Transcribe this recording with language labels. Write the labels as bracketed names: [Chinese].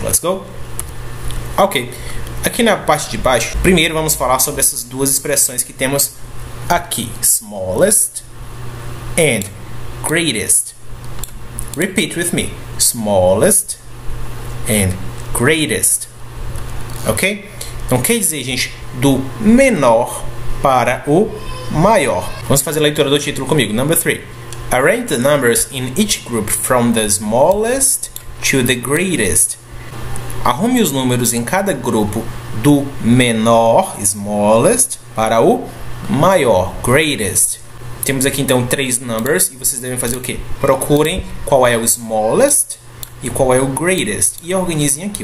[Portuguese] Let's go. Ok, aqui na parte de baixo, primeiro vamos falar sobre essas duas expressões que temos aqui: smallest and greatest. [English] Repeat with me: smallest and greatest. Ok? [Portuguese] Então, quer dizer, gente, do menor para o maior. Vamos fazer a leitura do título comigo. Number 3. [English] Arrange the numbers in each group from the smallest to the greatest. [Portuguese] Arrume os números em cada grupo do menor, smallest, para o maior, greatest. Temos aqui então três numbers e vocês devem fazer o quê? Procurem qual é o smallest e qual é o greatest. E organizem aqui.